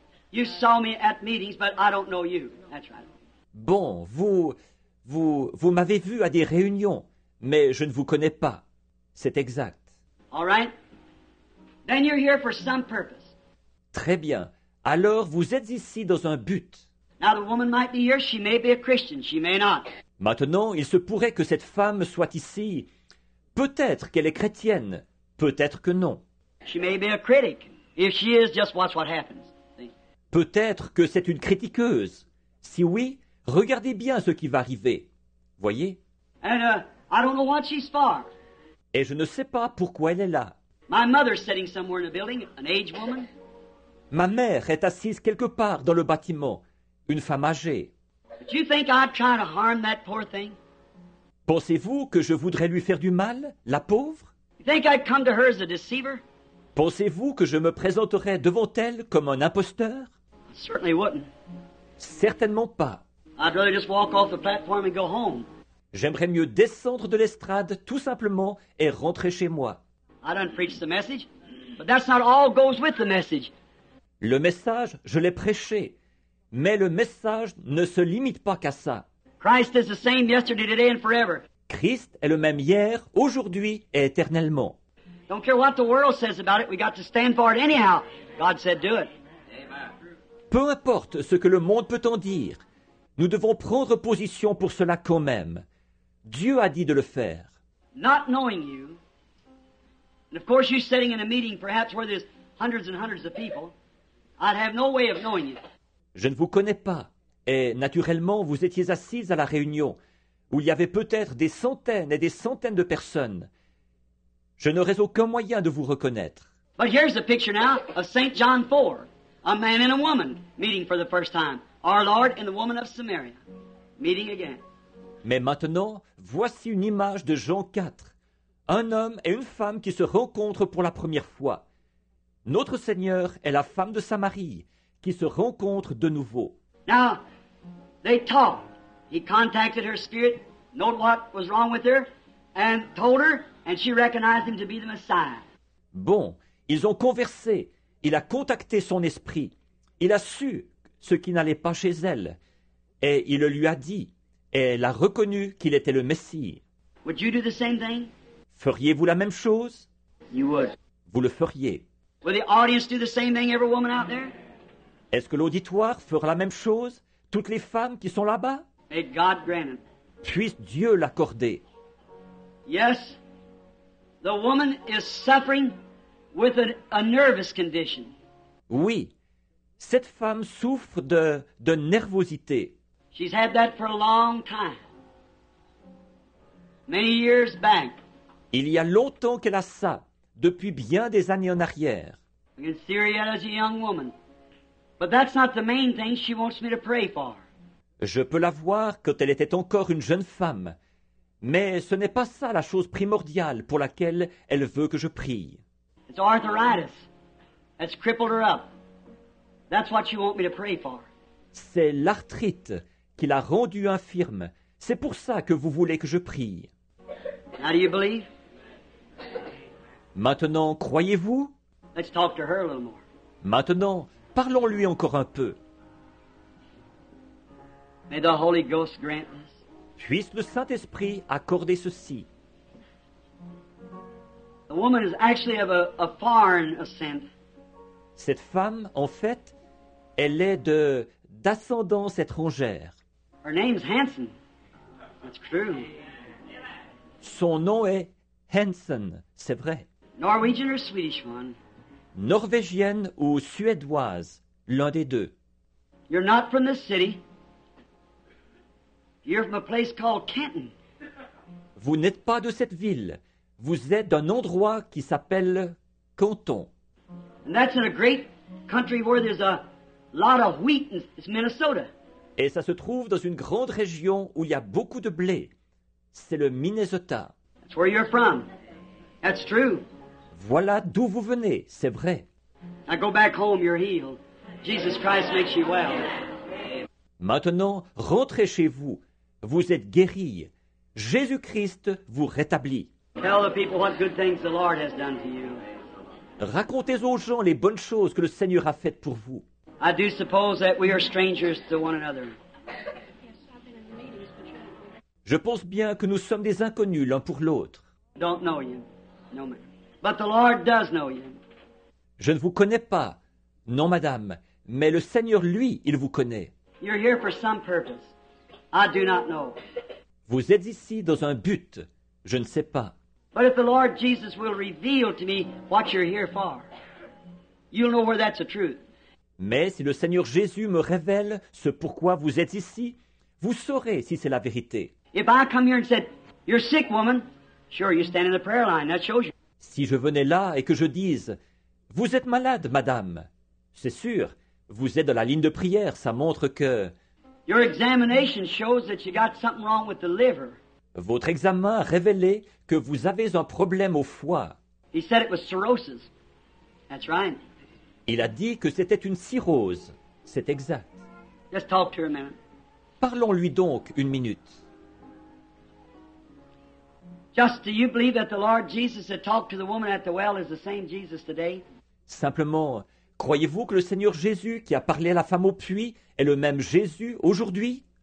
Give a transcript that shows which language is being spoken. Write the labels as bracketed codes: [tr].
[en] You saw me at meetings, but I don't know you. That's right. [fr] Bon, vous m'avez vu à des réunions, mais je ne vous connais pas. C'est exact. [en] All right. Then you're here for some purpose. [fr] Très bien. Alors, vous êtes ici dans un but. [en] Now the woman might be here. She may be a Christian. She may not. [fr] Maintenant, il se pourrait que cette femme soit ici. Peut-être qu'elle est chrétienne. Peut-être que non. [en] She may be a critic. If she is, just watch what happens. [fr] Peut-être que c'est une critiqueuse. Si oui, regardez bien ce qui va arriver. Voyez? [en] And, I don't know what she's for. [fr] Et je ne sais pas pourquoi elle est là. [en] My mother's sitting somewhere in a building, an aged woman. [fr] Ma mère est assise quelque part dans le bâtiment, une femme âgée. [en] But you think I'd try to harm that poor thing? [fr] Pensez-vous que je voudrais lui faire du mal, la pauvre? [en] You think I'd come to her as a deceiver? [fr] Pensez-vous que je me présenterais devant elle comme un imposteur? [en] Certainly wouldn't. [fr] Certainement pas. [en] I'd rather just walk off the platform and go home. [fr] J'aimerais mieux descendre de l'estrade tout simplement et rentrer chez moi. [en] I don't preach the message, but that's not all goes with the message. [fr] Le message, je l'ai prêché, mais le message ne se limite pas qu'à ça. [en] Christ is the same yesterday, today and forever. [fr] Christ est le même hier, aujourd'hui et éternellement. [en] Don't care what the world says about it, we got to stand for it anyhow. God said do it. [fr] Peu importe ce que le monde peut en dire, nous devons prendre position pour cela quand même. Dieu a dit de le faire. [en] Not knowing you, and of course you're sitting in a meeting perhaps where there's hundreds and hundreds of people, I'd have no way of knowing you. [fr] Je ne vous connais pas, et naturellement vous étiez assise à la réunion, où il y avait peut-être des centaines et des centaines de personnes. Je n'aurais aucun moyen de vous reconnaître. [en] But here's a picture now of St. John 4. A man and a woman meeting for the first time. Our Lord and the woman of Samaria meeting again. [fr] Mais maintenant, voici une image de Jean 4. Un homme et une femme qui se rencontrent pour la première fois. Notre Seigneur et la femme de Samarie qui se rencontrent de nouveau. [en] Now, they talked. He contacted her spirit, noted what was wrong with her, and told her, and she recognized him to be the Messiah. [fr] Bon, ils ont conversé. Il a contacté son esprit. Il a su ce qui n'allait pas chez elle. Et il le lui a dit. Et elle a reconnu qu'il était le Messie. [en] Would you do the same thing? [fr] Feriez-vous la même chose? [en] You would. [fr] Vous le feriez. [en] Would the audience do the same thing, every woman out there? [fr] Est-ce que l'auditoire fera la même chose? Toutes les femmes qui sont là-bas? [en] May God grant it. [fr] Puisse Dieu l'accorder. [en] Yes, the woman is suffering with a nervous condition. [fr] Oui, cette femme souffre de nervosité. [en] She's had that for a long time. Many years back. [fr] Il y a longtemps qu'elle a ça, depuis bien des années en arrière. [en] I can see her yet as a young woman. But that's not the main thing she wants me to pray for. [fr] Je peux la voir quand elle était encore une jeune femme. Mais ce n'est pas ça la chose primordiale pour laquelle elle veut que je prie. [en] It's arthritis that's crippled her up. That's what you want me to pray for. [fr] C'est l'arthrite qui l'a rendue infirme. C'est pour ça que vous voulez que je prie. [en] Now do you believe? [fr] Maintenant, croyez-vous? [en] Let's talk to her a little more. [fr] Maintenant, parlons-lui encore un peu. [en] May the Holy Ghost grant this. [fr] Puisse le Saint-Esprit accorder ceci. [en] A woman is actually of a foreign ascent. [fr] Cette femme, en fait, elle est d'ascendance étrangère. [en] Her name's Hansen. That's true. [fr] Son nom est Hansen, c'est vrai. [en] Norwegian or Swedish one. [fr] Norvégienne ou suédoise, l'un des deux. [en] You're not from this city. You're from a place called Canton. [fr] Vous n'êtes pas de cette ville. Vous êtes d'un endroit qui s'appelle Canton. [en] And that's in a great country where there's a lot of wheat. It's Minnesota. [fr] Et ça se trouve dans une grande région où il y a beaucoup de blé. C'est le Minnesota. [en] That's where you're from. That's true. [fr] Voilà d'où vous venez. C'est vrai. [en] Now go back home. You're healed. Jesus Christ makes you well. [fr] Maintenant, rentrez chez vous. Vous êtes guéri. Jésus-Christ vous rétablit. [en] Tell the people what good things the Lord has done to you. [fr] Racontez aux gens les bonnes choses que le Seigneur a faites pour vous. [en] I do suppose that we are strangers to one another. [fr] Je pense bien que nous sommes des inconnus l'un pour l'autre. [en] Don't know you. No, madame. But the Lord does know you. [fr] Je ne vous connais pas. Non, madame. Mais le Seigneur, lui, il vous connaît. [en] You're here for some purpose. I do not know. [fr] Vous êtes ici dans un but. Je ne sais pas. [en] But if the Lord Jesus will reveal to me what you're here for, you'll know where that's the truth. [fr] Mais si le Seigneur Jésus me révèle ce pourquoi vous êtes ici, vous saurez si c'est la vérité. [en] If I come here and said, you're sick, woman, sure, you stand in the prayer line, that shows you. [fr] Si je venais là et que je dise, vous êtes malade, madame, c'est sûr, vous êtes dans la ligne de prière, ça montre que... [en] Your examination shows that you got something wrong with the liver. [fr] Votre examen a révélé que vous avez un problème au foie. [en] He said it was cirrhosis. That's right. [fr] Il a dit que c'était une cirrhose. C'est exact. [en] Just talk to her a minute. [fr] Parlons-lui donc une minute. [en] Just do you believe that the Lord Jesus that talked to the woman at the well is the same Jesus today? [fr] Simplement, croyez-vous que le Seigneur Jésus qui a parlé à la femme au puits est le même Jésus aujourd'hui?